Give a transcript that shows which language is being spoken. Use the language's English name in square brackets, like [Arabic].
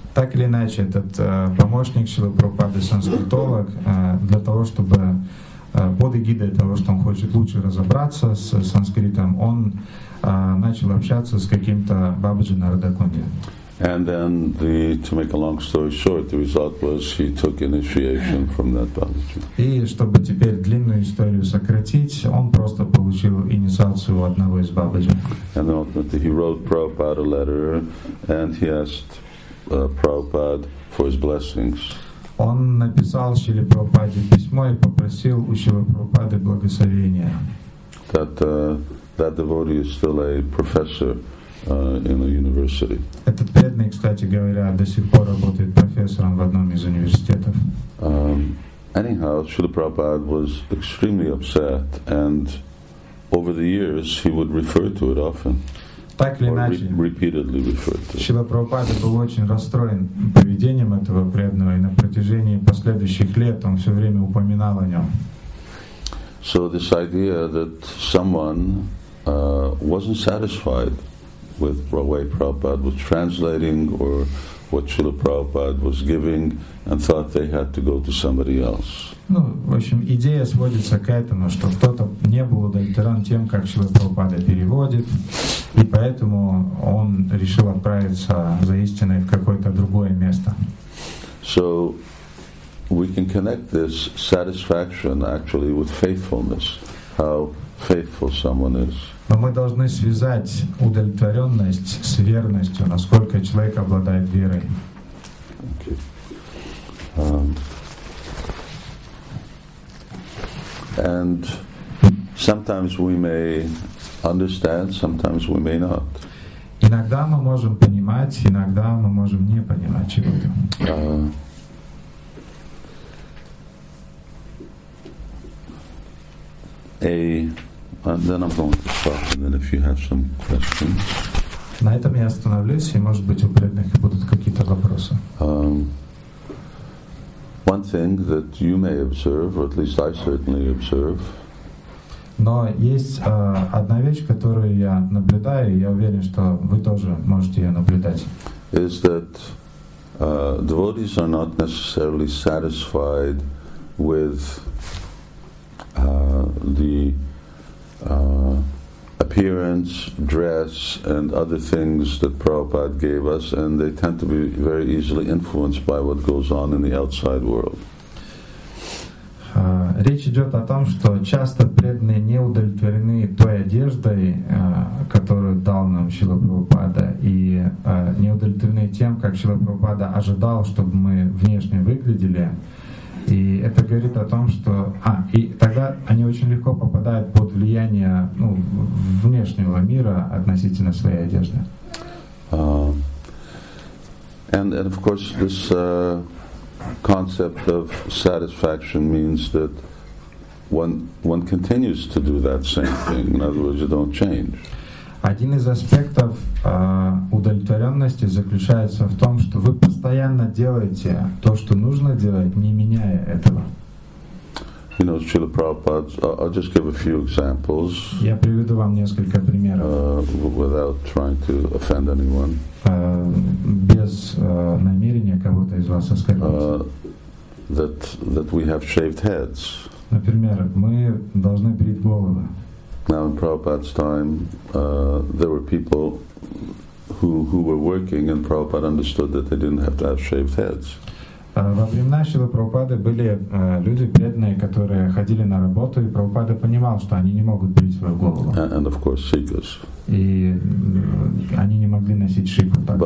[Russian] Так или иначе, этот помощник Шрилы Прабхупады, санскритолог, для того, чтобы под эгидой того, что он хочет лучше разобраться с санскритом, он начал общаться с каким-то Бабаджи на Радхакунде. [English] And then, to make a long story short, the result was he took initiation from that Babaji. [Russian] И чтобы теперь длинную историю сократить, он просто получил инициацию одного из Бабаджи. [English] And then ultimately he wrote Prabhupada a letter and he asked Prabhupada for his blessings. [Russian] Он написал Шриле Прабхупаде письмо и попросил у Шрилы Прабхупады благословения. [English] That devotee is still a professor in a university. [Russian] Этот преданный, кстати говоря, до сих пор работает профессором в одном из университетов. [English] Anyhow, Srila Prabhupada was extremely upset, and over the years he would refer to it often. [Russian] Так или иначе, Шрила Прабхупада был очень расстроен поведением этого преданного, и на протяжении последующих лет он все время упоминал о нем. [English] So this idea that someone wasn't satisfied with the way Prabhupada was translating or what Srila Prabhupada was giving and thought they had to go to somebody else. [Russian] Ну, в общем, идея сводится к этому, что кто-то не был удовлетворен тем, как Шрила Прабхупада переводит, и поэтому он решил отправиться за истиной в какое-то другое место. [English] So we can connect this satisfaction actually with faithfulness, how faithful someone is. [Russian] Но мы должны связать удовлетворенность с верностью, насколько человек обладает верой. [English] And sometimes we may understand, sometimes we may not. [Russian] Иногда мы можем понимать, иногда мы можем не понимать чего-то. [English] And then I'm going to stop, and then if you have some questions. [Russian] На этом я остановлюсь, и, может быть, у преданных будут какие-то вопросы. [English] One thing that you may observe, or at least I certainly observe. [Russian] Но есть одна вещь, которую я наблюдаю, и я уверен, что вы тоже можете ее наблюдать. [English] Is that devotees are not necessarily satisfied with the appearance, dress, and other things that Prabhupada gave us, and they tend to be very easily influenced by what goes on in the outside world. [Russian] Речь идет о том, что часто преданные не удовлетворены той одеждой, которую дал нам Шрила Прабхупада, и не удовлетворены тем, как Шрила Прабхупада ожидал, чтобы мы внешне выглядели. И это говорит о том, что... и тогда они очень легко попадают под влияние внешнего мира относительно своей одежды. [English] And of course, this concept of satisfaction means that one continues to do that same thing. In other words, you don't change. [Russian] Один из аспектов удовлетворенности заключается в том, что вы постоянно делаете то, что нужно делать, не меняя этого. [English] You know, Srila Prabhupada, I'll just give a few examples. [Russian] Я приведу вам несколько примеров. [English] Without trying to offend anyone. [Russian] Без намерения кого-то из вас оскорбить. [English] That we have shaved heads. [Russian] Например, мы должны брить головы. [English] Now in Prabhupada's time, there were people who were working, and Prabhupada understood that they didn't have to have shaved heads. [Russian] Во времена Шрилы Прабхупады были люди преданные, которые ходили на работу, и Прабхупада понимал, что они не могут брить свою голову. [English] And of course, sikhs. [Russian] И они не могли носить шикху.